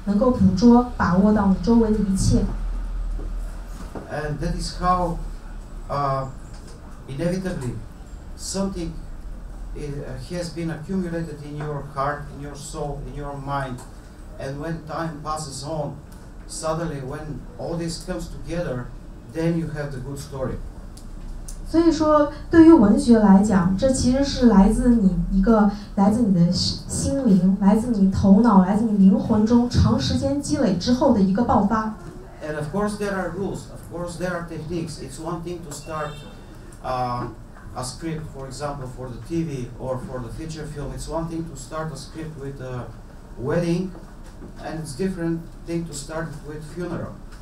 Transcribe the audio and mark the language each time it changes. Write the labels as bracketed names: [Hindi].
[Chinese] 所以我觉得文学它并不是能够通过软件所构造的，它是来自于一种持续不断的一种灵感，它是来自于生活，不管是真实的还是虚构的，这需要你非常的敏感，能够捕捉把握到你周围的一切。 [English] And that is how inevitably something has been accumulated in your heart, in your soul, in your mind. And when time passes on, suddenly when all this comes together, then you have the good story. [Chinese] 所以说对于文学来讲，这其实是来自你一个，来自你的心灵，来自你头脑，来自你灵魂中长时间积累之后的一个爆发。 [English] And of course there are rules, of course there are techniques. It's one thing to start a script, for example, for the TV or for the feature film. It's one thing to start a script with a wedding, and it's different thing to start with funeral.